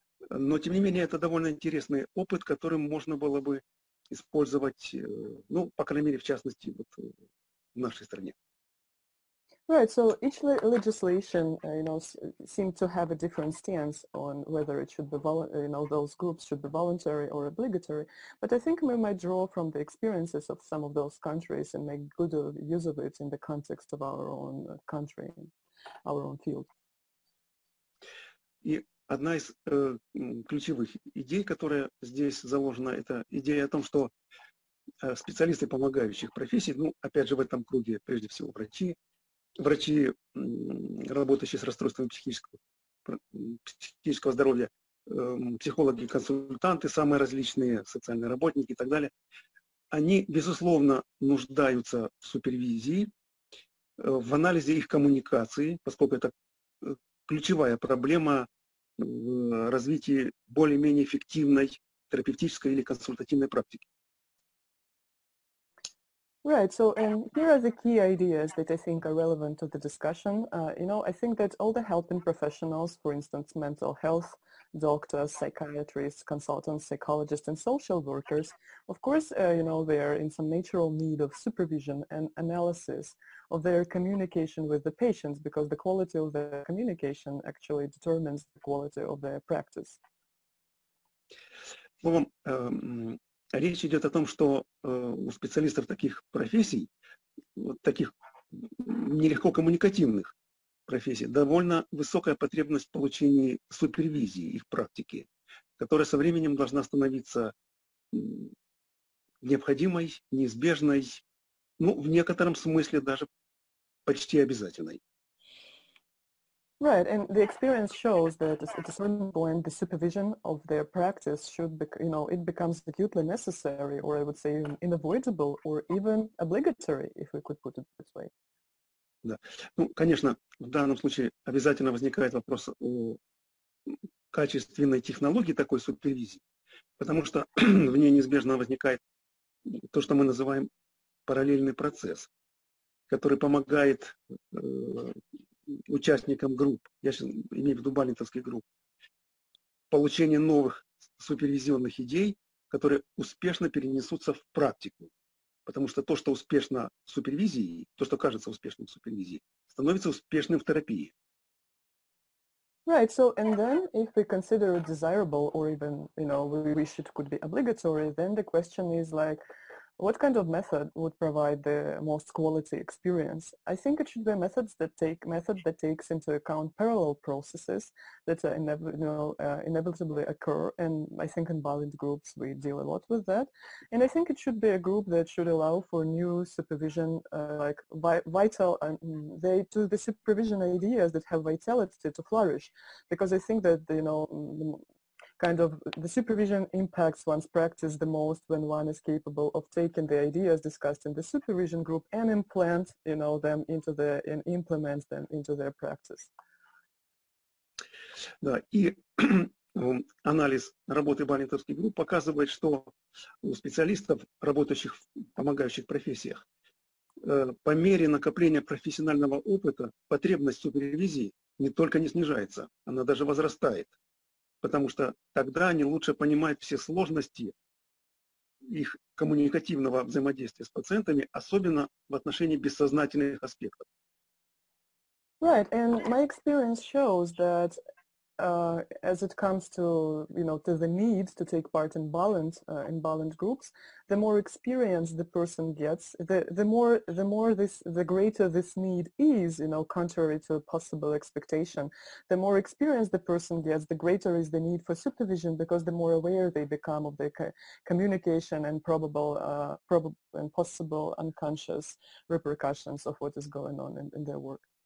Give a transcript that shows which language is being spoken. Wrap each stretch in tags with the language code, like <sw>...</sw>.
<ru>Но, тем не менее, это довольно интересный опыт, которым можно было бы использовать, ну, по крайней мере, в частности, вот, в нашей стране.</ru> <en>Right, so each legislation, you know, seems to have a different stance on whether it should be, you know, those groups should be voluntary or obligatory. But I think we might draw from the experiences of some of those countries and make good use of it in the context of our own country, our own field.</en> <ru>И одна из ключевых идей, которая здесь заложена, это идея о том, что специалисты помогающих профессий, ну, опять же, в этом круге, прежде всего, врачи, врачи, работающие с расстройствами психического здоровья, психологи, консультанты, самые различные социальные работники и так далее, они, безусловно, нуждаются в супервизии, в анализе их коммуникации, поскольку это ключевая проблема в развитии более-менее эффективной терапевтической или консультативной практики.</ru> <en>Right, so and here are the key ideas that I think are relevant to the discussion. You know, I think that all the helping professionals, for instance, mental health doctors, psychiatrists, consultants, psychologists, and social workers, of course, you know, they are in some natural need of supervision and analysis of their communication with the patients, because the quality of their communication actually determines the quality of their practice.</en> <ru>Ну, речь идет о том, что у специалистов таких профессий, вот таких нелегко коммуникативных профессий, довольно высокая потребность в получении супервизии их практики, которая со временем должна становиться необходимой, неизбежной, ну, в некотором смысле даже почти обязательной.</ru> <en>Right, and the experience shows that at a certain point the supervision of their practice should be, you know, it becomes acutely necessary, or I would say even unavoidable, or even obligatory, if we could put it this way.</en> <ru>Да. Ну, конечно, в данном случае обязательно возникает вопрос о качественной технологии такой супервизии, потому что в ней неизбежно возникает то, что мы называем параллельный процесс, который помогает участникам групп, я сейчас имею в виду балинтовских групп, получение новых супервизионных идей, которые успешно перенесутся в практику. Потому что то, что успешно в супервизии, то, что кажется успешным в супервизии, становится успешным в терапии.</ru> <en>Right, so and then if we consider it desirable or even, you know, we wish it could be obligatory, then the question is like, what kind of method would provide the most quality experience? I think it should be method that takes into account parallel processes that are inevitably occur. And I think in balanced groups we deal a lot with that. And I think it should be a group that should allow for new supervision, like vital to the supervision ideas that have vitality to flourish, because I think that kind of the supervision impacts one's practice the most when one is capable of taking the ideas discussed in the supervision group and implant, you know, them into the and implement them into their practice.</en> <ru>Да, и анализ работы балинтовских групп показывает, что у специалистов, работающих в помогающих профессиях, по мере накопления профессионального опыта потребность супервизии не только не снижается, она даже возрастает. Потому что тогда они лучше понимают все сложности их коммуникативного взаимодействия с пациентами, особенно в отношении бессознательных аспектов.</ru> <en>Right, and my experience shows that as it comes to, you know, to the need to take part in balanced groups, the more experience the person gets, the greater this need is, you know, contrary to a possible expectation, the more experience the person gets, the greater is the need for supervision, because the more aware they become of their communication and possible unconscious repercussions of what is going on in their work.</en>